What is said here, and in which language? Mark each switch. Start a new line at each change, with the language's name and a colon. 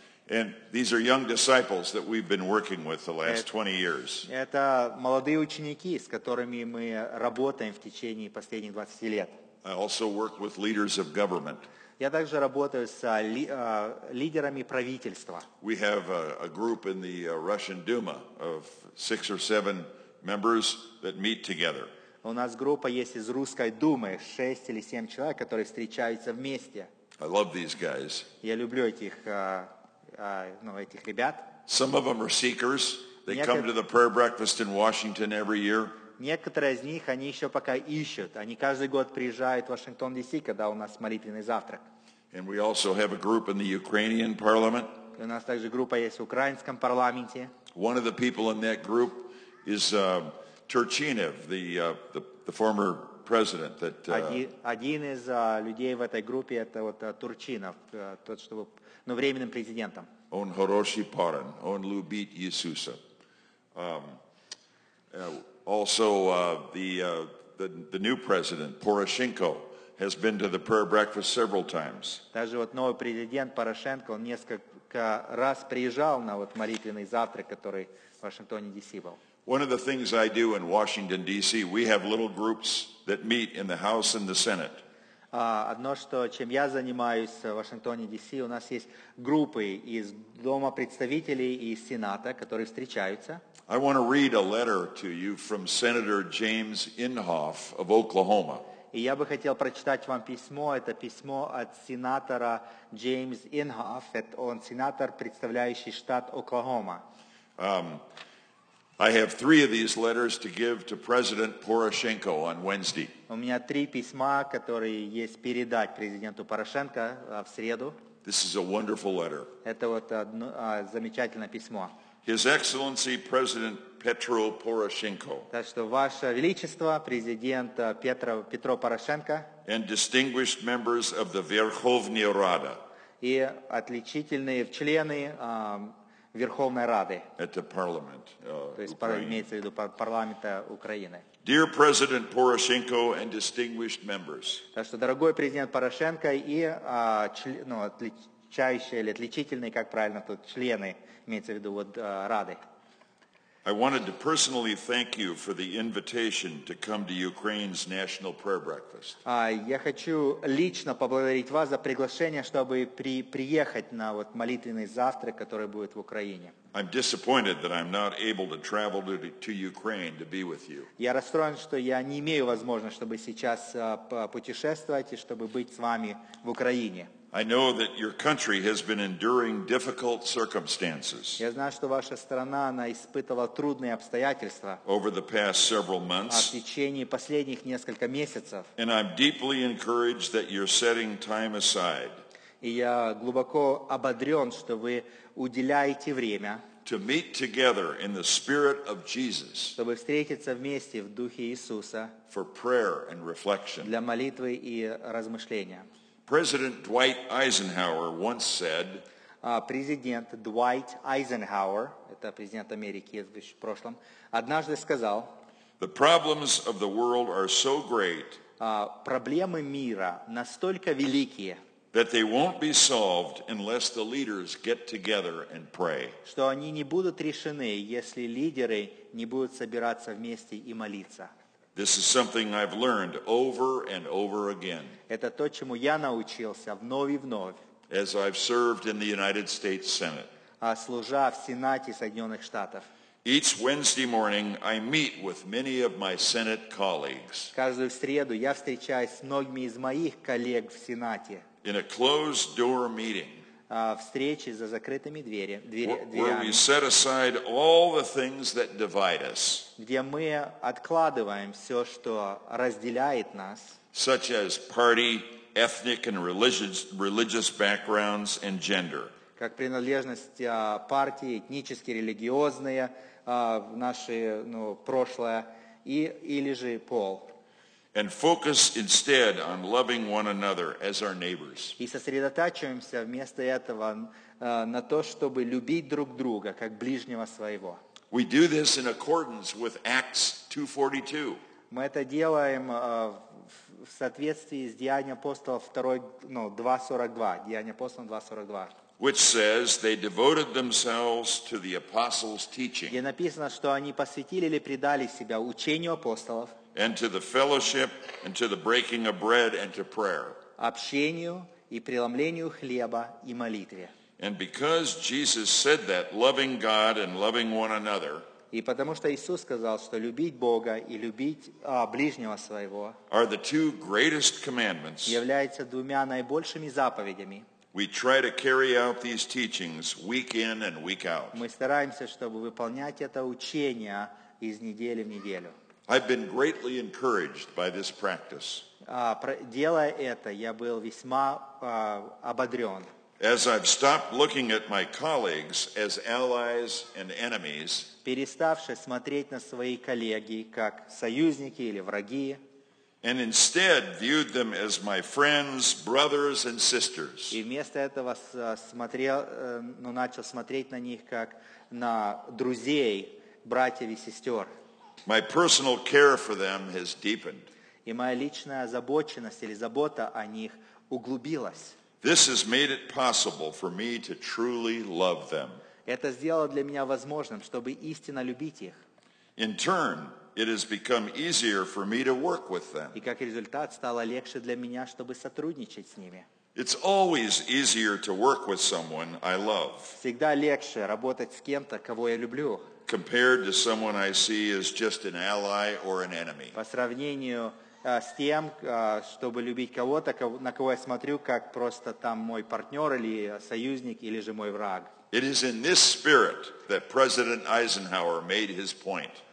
English: And these are young disciples that we've been working with the last 20 years.
Russian: Это молодые ученики, с которыми мы работаем в течение последних 20 лет.
English: I also work with leaders of government.
Russian: Я также работаю с лидерами правительства.
English: We have a group in the Russian Duma of 6 or 7 members that meet together.
Russian: У нас группа есть из Русской Думы, 6 или 7 человек, которые встречаются вместе.
English: I love these guys.
Russian: Я люблю этих этих ребят.
English: Some of them are seekers. They come to the prayer breakfast in Washington every year.
Russian: Некоторые из них, они еще пока ищут. Они каждый год приезжают в Вашингтон, Д.С., когда у нас молитвенный завтрак.
English: And we also have a group in the Ukrainian parliament.
Russian: И у нас также группа есть в украинском парламенте.
English: One of the people in that group is Turchinov, the former president.
Russian: Один из людей в этой группе — это вот Турчинов, тот, что был временным президентом. Он хороший парень. Он любит Иисуса.
English: Also, the new president Poroshenko has been to the prayer breakfast several times.
Russian: Также вот новый президент Порошенко, он несколько раз приезжал на вот молитвенный завтрак, который в Вашингтоне, Д.С. был.
English: One of the things I do in Washington, D.C., we have little groups that meet in the House and the Senate.
Russian: Одно, что чем я занимаюсь в Вашингтоне, Д.С., у нас есть группы из Дома представителей и Сената, которые встречаются.
English: I want to read a letter to you from Senator James Inhofe of Oklahoma.
Russian: И я бы хотел прочитать вам письмо. Это письмо от сенатора James Inhofe. Это он сенатор, представляющий штат Оклахома.
English: I have 3 of these letters to give to President Poroshenko on Wednesday.
Russian: У меня 3 письма, которые есть передать президенту Порошенко в среду.
English: This is a wonderful letter.
Russian: Это вот одно замечательное письмо.
English: His Excellency President Petro Poroshenko.
Russian: Так что ваше величество президент Петро Порошенко.
English: And distinguished members of the Верховная Рада.
Russian: И отличительные члены Верховной Рады. Это парламент. То есть имеется в виду парламента Украины.
English: Dear President Poroshenko and distinguished members.
Russian: Так что дорогой президент Порошенко и отличающие или отличительные, как правильно тут, члены, имеется в виду вот Рады.
English: I wanted to personally thank you for the invitation to come to Ukraine's National Prayer Breakfast.
Russian: Я хочу лично поблагодарить вас за приглашение, чтобы приехать на вот молитвенный завтрак, который будет в Украине.
English: I'm disappointed that I'm not able to travel to Ukraine to be with you.
Russian: Я расстроен, что я не имею возможности, чтобы сейчас путешествовать и чтобы быть с вами в Украине.
English: I know that your country has been enduring difficult circumstances.
Russian: Я знаю, что ваша страна, она испытывала трудные обстоятельства.
English: Over the past several months.
Russian: В течение последних нескольких месяцев.
English: And I'm deeply encouraged that you're setting time aside.
Russian: И я глубоко ободрён, что вы уделяете время.
English: To meet together in the spirit of Jesus.
Russian: Чтобы встретиться вместе в духе Иисуса.
English: For prayer and reflection.
Russian: Для молитвы и размышления.
English: President Dwight Eisenhower once said,
Russian: Президент Дуайт Айзенхауэр, это президент Америки в прошлом, однажды сказал,
English: The problems of the world are so great,
Russian: проблемы мира настолько великие,
English: that they won't be solved unless the leaders get together and pray.
Russian: Что они не будут решены, если лидеры не будут собираться вместе и молиться.
English: This is something I've learned over and over again.
Russian: Это то, чему я научился вновь и вновь.
English: As I've served in the United States Senate.
Russian: А служа в Сенате Соединенных Штатов.
English: Each Wednesday morning I meet with many of my Senate colleagues.
Russian: Каждую среду я встречаюсь с многими из моих коллег в Сенате.
English: In a closed door meeting.
Russian: Встречи за закрытыми дверями, где мы откладываем все, что разделяет нас,
English: such as party, ethnic and religious backgrounds and gender.
Russian: Как принадлежность партии, этнические, религиозные, наше прошлое и или же пол.
English: And focus instead on loving one another as our neighbors.
Russian: И сосредотачиваемся вместо этого на то, чтобы любить друг друга как ближнего своего.
English: We do this in accordance with Acts 2:42.
Russian: Мы это делаем в соответствии с Деяния апостола 2:42. Деяния апостола 2:42.
English: Which says they devoted themselves to the apostles' teaching.
Russian: Где написано, что они посвятили или предали себя учению апостолов.
English: And to the fellowship, and to the breaking of bread, and to prayer.
Russian: Общению и преломлению хлеба и молитве.
English: And because Jesus said that, loving God and loving one another.
Russian: И потому что Иисус сказал, что любить Бога и любить ближнего своего.
English: Are the two greatest commandments.
Russian: Являются двумя наибольшими заповедями.
English: We try to carry out these teachings week in and week out.
Russian: Мы стараемся, чтобы выполнять это учение из недели в неделю.
English: I've been greatly encouraged by this practice.
Russian: Делая это, я был весьма ободрен.
English: As I've stopped looking at my colleagues as allies and enemies,
Russian: переставши смотреть на свои коллеги как союзники или враги,
English: and instead viewed them as my friends, brothers and sisters.
Russian: И вместо этого смотрел, ну начал смотреть на них как на друзей, братьев и сестер.
English: My personal care for them has deepened.
Russian: И моя личная озабоченность или забота о них углубилась.
English: This has made it possible for me to truly love them.
Russian: Это сделало для меня возможным, чтобы истинно любить их.
English: In turn, it has become easier for me to work with them.
Russian: И как результат, стало легче для меня, чтобы сотрудничать с ними.
English: It's always easier to work with someone I love.
Russian: Всегда легче работать с кем-то, кого я люблю.
English: Compared to someone I see as just an ally or an enemy.
Russian: По сравнению с тем, чтобы любить кого-то, на кого я смотрю, как просто там мой партнер или союзник, или же мой враг.
English: It is in this spirit that President Eisenhower made his point.